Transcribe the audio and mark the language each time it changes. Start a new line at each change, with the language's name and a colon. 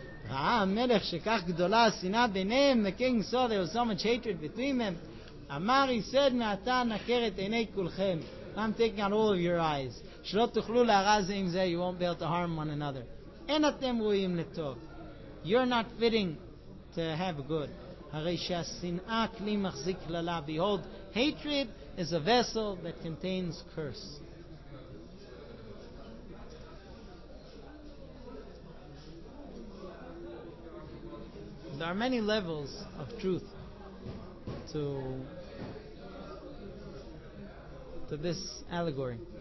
Hebrew: ראה המלך שכך גדולה השנאה ביניהם,
English: the king saw there was so much hatred between them,
Hebrew: אמר,
English: he said,
Hebrew: מעתה נקר את עיני כולכם,
English: I'm taking out all of your eyes. שלא תוכלו להרע זה עם זה, you won't be able to harm one another.
Hebrew: אין אתם ראויים לטוב.
English: You're not fitting to have good.
Hebrew: הרי שהשנאה כלי מחזיק כללה.
English: Behold, hatred is a vessel that contains curse. There are many levels of truth to this allegory.